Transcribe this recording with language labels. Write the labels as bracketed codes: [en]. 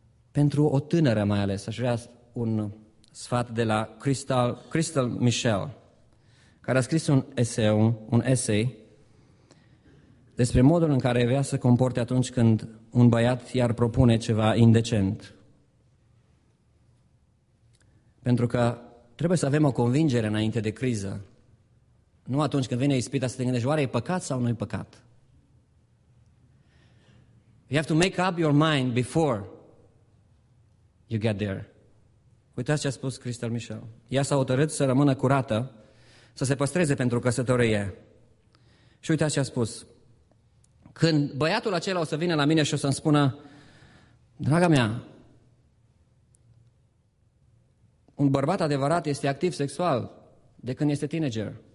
[ro] Pentru o tânără mai ales, aș vrea un sfat de la Crystal Michel, care a scris un essay despre modul în care vrea să comporte atunci când un băiat i-ar propune ceva indecent. Pentru că trebuie să avem o convingere înainte de criză. Nu atunci când vine ispita să te gândești, oare e păcat sau nu e păcat? [en] You have to make up your mind before you get there. [ro] Uitați ce a spus Crystal Michel. Ea s-a hotărât să rămână curată, să se păstreze pentru căsătorie. Și uitați ce a spus. Când băiatul acela o să vină la mine și o să-mi spună, draga mea, un bărbat adevărat este activ sexual de când este teenager.